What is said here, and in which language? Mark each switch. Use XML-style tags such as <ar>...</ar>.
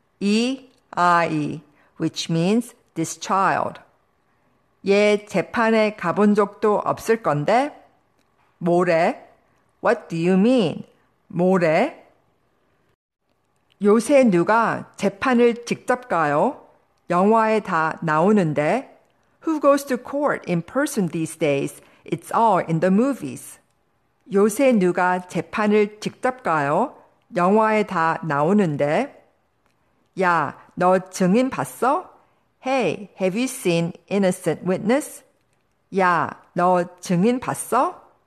<en>E-I-E, which means this child.</en> <ko>얘 재판에 가본 적도 없을 건데?</ko> <en>뭐래? What do you mean? 뭐래?</en> <ko>요새 누가 재판을 직접 가요? 영화에 다 나오는데?</ko> <en>Who goes to court in person these days? It's all in the movies.</en> <ko>요새 누가 재판을 직접 가요? 영화에 다 나오는데? 야, 너 증인 봤어?</ko> <en>Hey, have you seen innocent witness?</en> <ko>야, 너 증인 봤어?</ko>